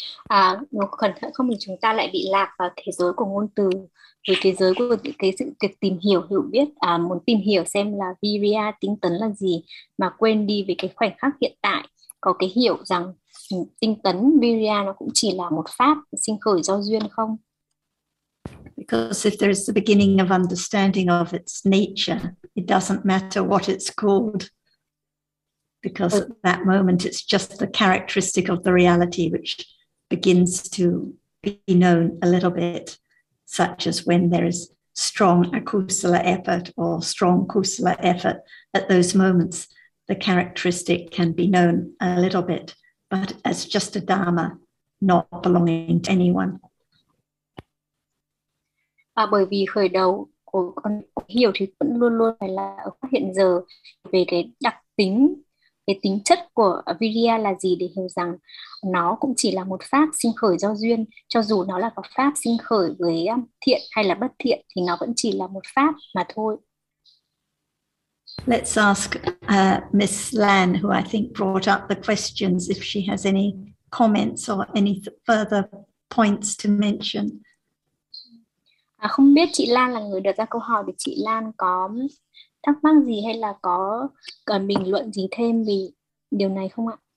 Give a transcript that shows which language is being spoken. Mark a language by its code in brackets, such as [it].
[vi] À, cẩn thận không thì chúng ta lại bị lạc vào thế giới của ngôn từ, với thế giới của cái sự việc tìm hiểu, hiểu biết, muốn tìm hiểu xem là virya, tinh tấn là gì, mà quên đi về cái khoảnh khắc hiện tại, có cái hiểu rằng tinh tấn, virya nó cũng chỉ là một pháp sinh khởi do duyên không? [en] Because if there is the beginning of understanding of its nature, it doesn't matter what it's called. Because at that moment, it's just the characteristic of the reality which begins to be known a little bit, such as when there is strong akusala effort or strong kusala effort. At those moments, the characteristic can be known a little bit, but as just a dharma, not belonging to anyone. [vi] À, bởi vì khởi đầu của con hiểu thì vẫn luôn luôn phải là ở hiện giờ về cái đặc tính, cái tính chất của virya là gì để hiểu rằng nó cũng chỉ là một pháp sinh khởi do duyên, cho dù nó là có pháp sinh khởi với thiện hay là bất thiện thì nó vẫn chỉ là một pháp mà thôi. [en] Let's ask Miss Lan, who I think brought up the questions, if she has any comments or any further points to mention. [vi] À, không biết chị Lan là người đặt ra câu hỏi, thì chị Lan có thắc mắc gì hay là có cần bình luận gì thêm về điều này không ạ?